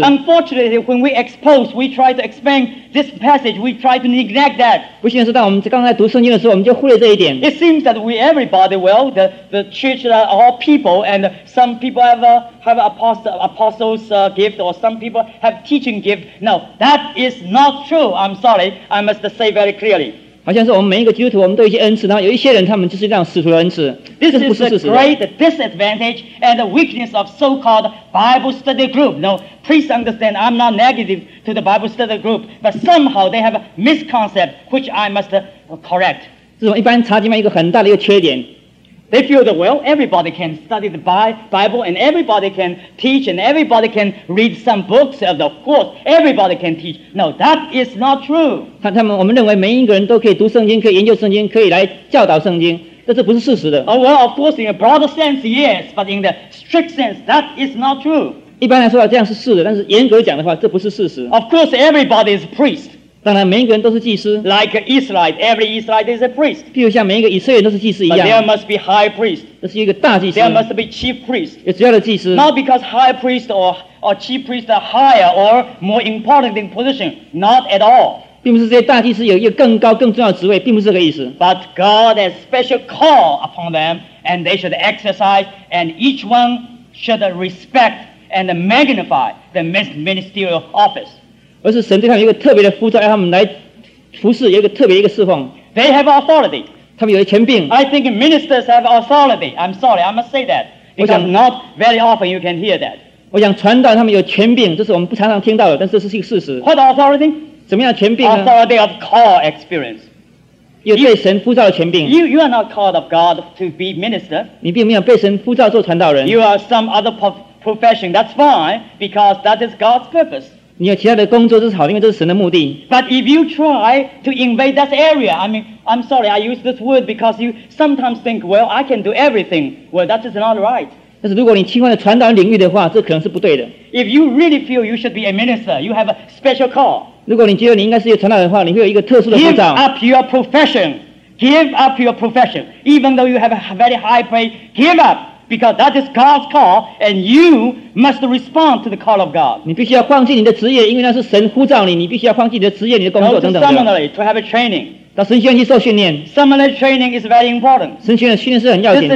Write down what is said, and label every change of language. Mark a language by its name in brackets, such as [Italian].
[English] Unfortunately, when we expose, we try to explain this passage, we try to neglect that. [Chinese] 不幸的是，当我们刚才读圣经的时候，我们就忽略这一点。 [English] It seems that we everybody well, the church are all people, and some people have apostles gift, or some people have teaching gift. No, that is not true. I'm sorry, I must say very clearly. [Chinese] 好像是我们每一个基督徒，我们都有一些恩赐，然后有一些人他们就是这样使徒的恩赐，这是不是事实的。 [English] This is a great disadvantage and the weakness of so-called Bible study group. No, please understand, I'm not negative to the Bible study group, but somehow they have a misconcept which I must correct. [Chinese] 这种一般查经班一个很大的一个缺点。 [English] They feel that, well, everybody can study the Bible, and everybody can teach, and everybody can read some books, of course, everybody can teach. No, that is not true. [Chinese] 我们认为每一个人都可以读圣经，可以研究圣经，可以来教导圣经，但这不是事实的。 [English] Oh, well, of course, in a broader sense, yes, but in the strict sense, that is not true. [Chinese] 一般来说这样是是的，但是严格讲的话，这不是事实。 [English] Of course, everybody is a priest. [Chinese] 当然每一个人都是祭司。 [English] Like Israel, every Israelite is a priest. [Chinese] 譬如像每一个以色列人都是祭司一样。 [English] But there must be high priest. [Chinese] 这是一个大祭司。 [English] There must be chief priest. [Chinese] 有主要的祭司。 [English] Not because high priest or chief priest are higher or more important in position. Not at all. [Chinese] 并不是这些大祭司有一个更高更重要的职位，并不是这个意思。 [English] But God has special call upon them and they should exercise and each one should respect and magnify the ministerial office. [Chinese] 而是神对他们有一个特别的呼召，让他们来服侍，有一个特别一个侍奉。 [English] They have authority. [Chinese] 他们有权柄。 [English] I think ministers have authority. I'm sorry, I must say that. Because not very often you can hear that. [Chinese] 我想传道他们有权柄，这是我们不常常听到的，但是这是一个事实。 [English] What authority? [Chinese] 怎么样权柄呢 [English] ？Authority of call experience. [Chinese] 有对神呼召的权柄。 [English] You are not called of God to be minister. [Chinese] 你并没有被神呼召做传道人。 [English] You are some other profession. That's fine, because that is God's purpose. [Chinese] 你有其他的工作，这是好，因为这是神的目的。 [English] But if you try to invade that area, I mean, I'm sorry, I use this word because you sometimes think, well, I can do everything. Well, that is not right. [Chinese] 但是如果你侵犯了传道领域的话，这可能是不对的。 [English] If you really feel you should be a minister, you have a special call. [Chinese] 如果你觉得你应该是一个传道人的话，你会有一个特殊的呼召。 [English] Give up your profession. Give up your profession. Even though you have a very high pay, give up. Because that is God's call, and you must respond to the call of God. [Chinese] 你必须要放弃你的职业，因为那是神呼召你。你必须要放弃你的职业、你的工作等等。 [English] Go to seminary to have a training. [Chinese] 到神学院去受训练。 [English] Seminary training is very important. [Chinese] 神学院的训练是很要紧的。